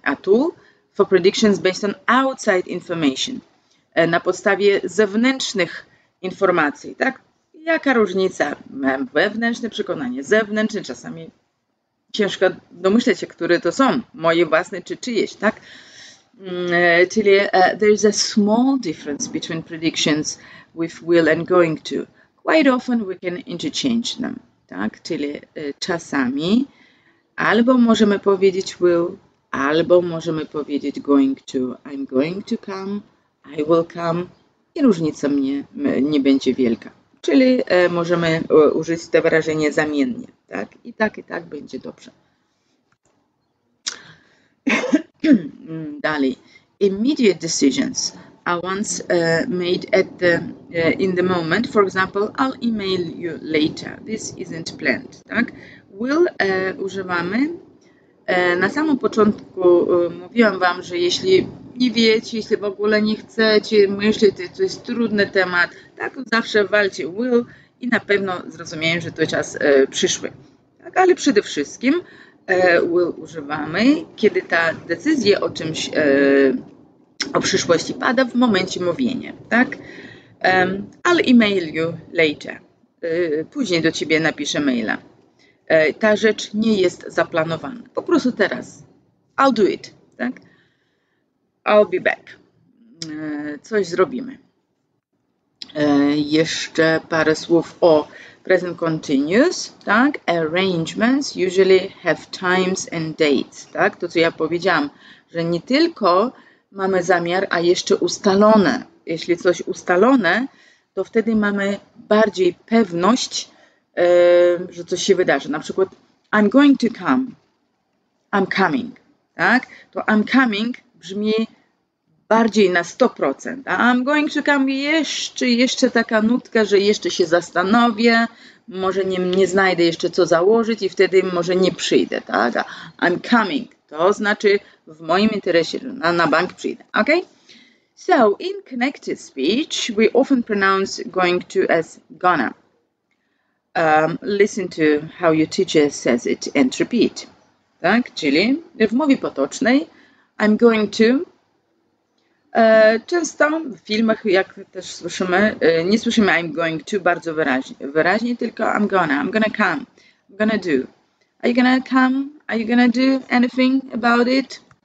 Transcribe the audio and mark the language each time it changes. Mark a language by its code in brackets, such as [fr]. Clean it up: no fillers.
[pl] A tu [en] for predictions based on outside information, [pl] na podstawie zewnętrznych informacji. Tak? Jaka różnica? Mam wewnętrzne przekonanie, zewnętrzne. Czasami ciężko domyśleć się, które to są, moje własne czy czyjeś, tak? Czyli [en] there is a small difference between predictions with will and going to. Quite often we can interchange them. [pl] Tak? Czyli czasami albo możemy powiedzieć will, albo możemy powiedzieć going to. [en] I'm going to come, I will come. [pl] I różnica nie będzie wielka. Czyli możemy użyć te wyrażenie zamiennie. Tak? I tak będzie dobrze. Dalej, [en] immediate decisions. I once made at the in the moment. For example, I'll email you later. This isn't planned. [pl] Tak? Will używamy. Na samym początku mówiłam wam, że jeśli nie wiecie, jeśli w ogóle nie chcecie, myślicie, to jest trudny temat, tak zawsze walcie will i na pewno zrozumieją, że to czas przyszły. Tak? Ale przede wszystkim will używamy, kiedy ta decyzja o czymś, o przyszłości pada w momencie mówienia, tak? [en] I'll email you later. [pl] Później do ciebie napiszę maila. Ta rzecz nie jest zaplanowana. Po prostu teraz. [en] I'll do it, [pl] tak? [en] I'll be back. [pl] Coś zrobimy. Jeszcze parę słów o present continuous, tak? [en] Arrangements usually have times and dates, tak? [pl] To, co ja powiedziałam, że nie tylko mamy zamiar, a jeszcze ustalone. Jeśli coś ustalone, to wtedy mamy bardziej pewność, że coś się wydarzy. Na przykład [en] I'm going to come. I'm coming. Tak? [pl] To [en] I'm coming [pl] brzmi bardziej na 100%. A [en] I'm going to come [pl] jeszcze taka nutka, że jeszcze się zastanowię, może nie znajdę jeszcze co założyć i wtedy może nie przyjdę. Tak? [en] I'm coming. [pl] To znaczy w moim interesie, że na bank przyjdę. Ok? [en] So, in connected speech, we often pronounce going to as gonna. Listen to how your teacher says it and repeat. [pl] Tak? Czyli w mowie potocznej [en] I'm going to. [pl] Często w filmach, jak też słyszymy, nie słyszymy I'm going to bardzo wyraźnie, tylko [en] I'm gonna come, I'm gonna do. Are you gonna come? Are you gonna do anything about it?